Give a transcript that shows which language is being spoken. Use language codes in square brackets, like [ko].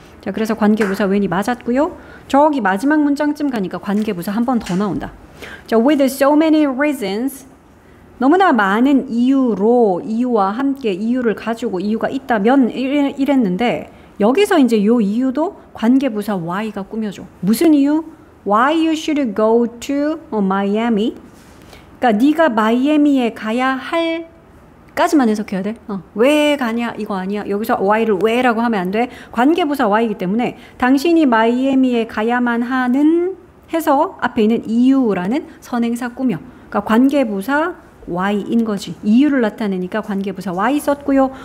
[ko] 자, 그래서 관계부사 when이 맞았고요. 저기 마지막 문장쯤 가니까 관계부사 한 번 더 나온다. [en] 자, with so many reasons. [ko] 너무나 많은 이유로, 이유와 함께 이유를 가지고 이유가 있다면 이랬는데 여기서 이제 요 이유도 관계부사 why가 꾸며줘. 무슨 이유? [en] Why you should go to Miami? [ko] 그러니까 네가 마이애미에 가야 할 까지만 해석해야 돼. 왜 가냐 이거 아니야. 여기서 why를 왜라고 하면 안 돼. 관계부사 why이기 때문에 당신이 마이애미에 가야만 하는 해서 앞에 있는 이유라는 선행사 꾸며. 그러니까 관계부사 why인 거지. 이유를 나타내니까 관계부사 why 썼고요.